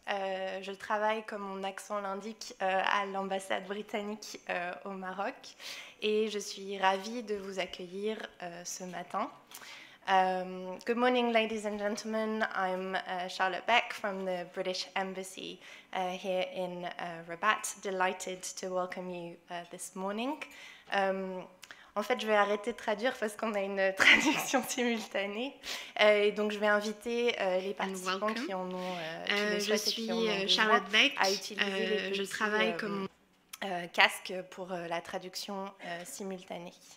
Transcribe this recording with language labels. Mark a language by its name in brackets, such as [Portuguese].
[French] Je travaille, comme mon accent l'indique, à l'ambassade britannique au Maroc. Et je suis ravie de vous accueillir ce matin. [English] Good morning, ladies and gentlemen. I'm Charlotte Beck from the British Embassy here in Rabat. Delighted to welcome you this morning. [French] En fait, je vais arrêter de traduire parce qu'on a une traduction simultanée. Et donc, je vais inviter les participants qui en ont... qui le je suis Charlotte Beck. Je travaille comme... casque pour la traduction simultanée.